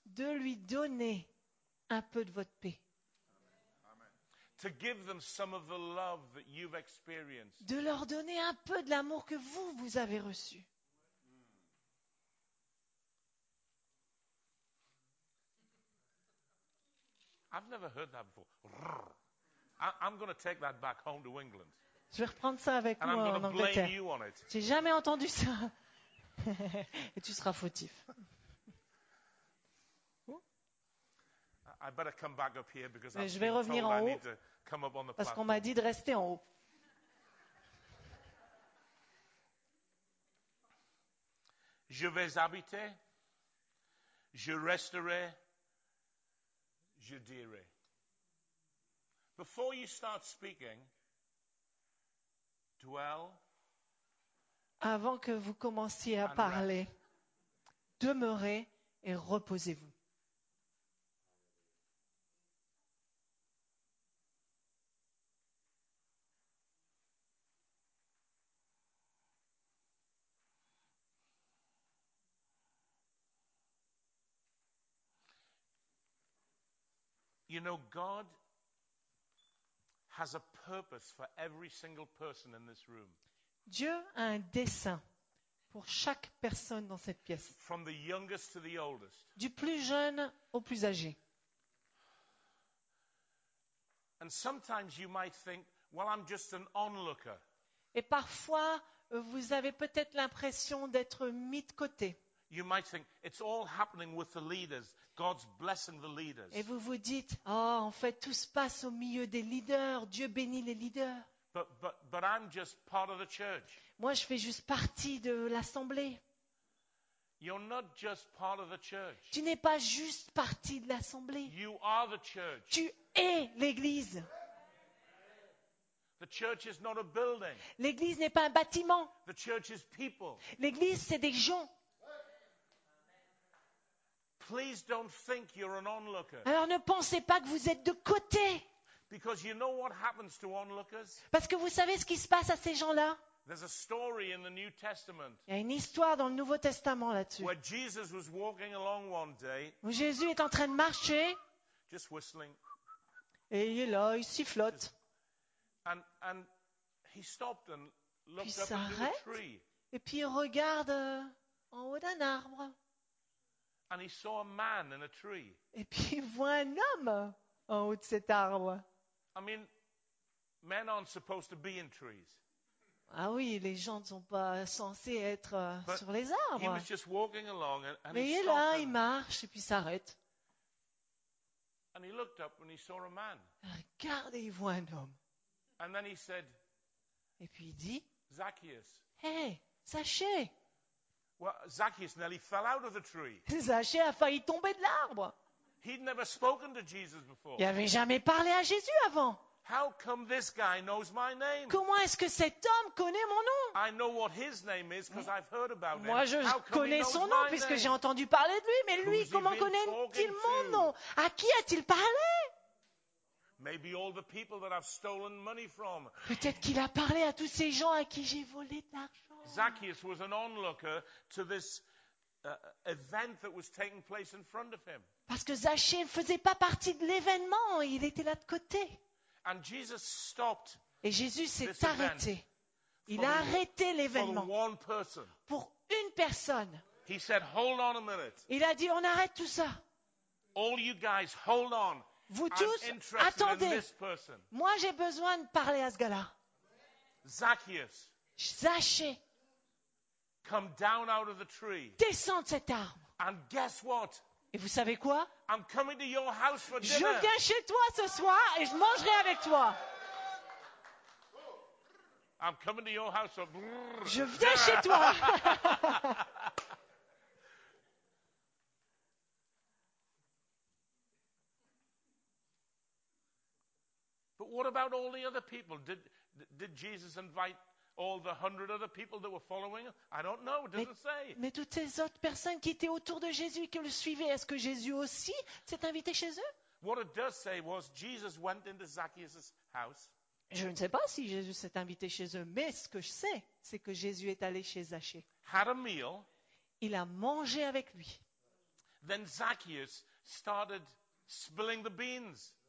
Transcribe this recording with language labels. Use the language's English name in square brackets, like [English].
[French] De lui donner un peu de votre paix. [English] To give them some of the love that you've experienced. [French] De leur donner un peu de l'amour que vous avez reçu. [English] I've never heard that before. I'm going to take that back home to England. [French] Je vais reprendre ça avec moi en Angleterre. [English] You on it. [French] J'ai jamais entendu ça. Et tu seras fautif. [English] I better come back up here because [French] je vais revenir en haut parce [English] platform. [French] Qu'on m'a dit de rester en haut. Je vais habiter. Je resterai. Je dirai. [English] Before you start speaking, dwell [French] avant que vous commenciez à parler, demeurez et reposez-vous. [English] You know, God has a purpose for every single person in this room. [French] Dieu a un dessein pour chaque personne dans cette pièce. [English] From the youngest to the oldest. [French] Du plus jeune au plus âgé. [English] And sometimes you might think, well, I'm just an onlooker. [French] Et parfois, vous avez peut-être l'impression d'être mis de côté. [English] You might think it's all happening with the leaders. God's blessing the leaders. [French] Et vous vous dites, oh, en fait, tout se passe au milieu des leaders. Dieu bénit les leaders. [English] But I'm just part of the church. [French] Moi, je fais juste partie de l'assemblée. [English] You're not just part of the church. [French] Tu n'es pas juste partie de l'assemblée. [English] You are the church. [French] Tu es l'église. [English] The church is not a building. [French] L'église n'est pas un bâtiment. [English] The church is people. [French] L'église, c'est des gens. [English] Please don't think you're an onlooker. [French] Alors ne pensez pas que vous êtes de côté. [English] Because you know what happens to onlookers? [French] Parce que vous savez ce qui se passe à ces gens-là. [English] There's a story in the New Testament. [French] Il y a une histoire dans le Nouveau Testament là-dessus. [English] Where Jesus was walking along one day. [French] Où Jésus est en train de marcher. [English] Just whistling. [French] Et il est là, il sifflote. [English] And he stopped and looked [French] puis [English] up [French] s'arrête, [English] into a tree. [French] Et puis il regarde en haut d'un arbre. [English] And he saw a man in a tree. [French] Et puis il voit un homme en haut de cet arbre. [English] I mean, men aren't supposed to be in trees. [French] Ah oui, les gens ne sont pas censés être sur les arbres. [English] He was just walking along and [French] mais [English] he [French] il est là, [English] him. [French] Il marche et puis s'arrête. [English] And he looked up and he saw a man. [French] Regarde et il voit un homme. [English] And then he said, [French] et puis il dit, [English] Zacchaeus. [French] Hey, sachez. [English] Well, Zacchaeus nearly fell out of the tree. [French] Zacchaeus a failli tomber de l'arbre. [English] He'd never spoken to Jesus before. [French] Il n'avait jamais parlé à Jésus avant. [English] How come this guy knows my name? [French] Comment est-ce que cet homme connaît mon nom? [English] I know what his name is because I've heard about him. [French] Moi, je connais son nom puisque j'ai entendu parler de lui. Mais lui, comment connaît-il mon nom? À qui a-t-il parlé? [English] Maybe all the people that I've stolen money from. [French] Peut-être qu'il a parlé à tous ces gens à qui j'ai volé de l'argent. [English] Zacchaeus was an onlooker to this event that was taking place in front of him. [French] Parce que Zacchée ne faisait pas partie de l'événement, il était là de côté. [English] And Jesus stopped. [French] Et Jésus s'est arrêté. Il a arrêté l'événement. [English] For one person. [French] Pour une personne. [English] He said, "Hold on a minute." [French] Il a dit, on arrête tout ça. [English] All you guys, hold on. [French] Vous [English] I'm [French] tous, attendez. [English] In this person. [French] Moi, j'ai besoin de parler à ce gars-là. [English] Zacchaeus. [French] Zacchée. [English] Come down out of the tree. [French] Descends de cet arbre. [English] And guess what? [French] Et vous savez quoi? [English] I'm coming to your house for dinner. [French] Je viens chez toi ce soir et je mangerai avec toi. [English] I'm coming to your house for dinner. [French] Je viens chez toi. [English] But what about all the other people? Did Jesus invite all the 100 other people that were following him? I don't know, it doesn't say. [French] Mais toutes ces autres personnes qui étaient autour de Jésus et qui le suivaient, est-ce que Jésus aussi s'est invité chez eux? [English] What it does say was Jesus went into Zacchaeus' house. [French] Je ne sais pas si Jésus s'est invité chez eux, mais ce que je sais, c'est que Jésus est allé chez Zacchée. [English] Had a meal. [French] Il a mangé avec lui. [English] Then Zacchaeus started spilling the beans.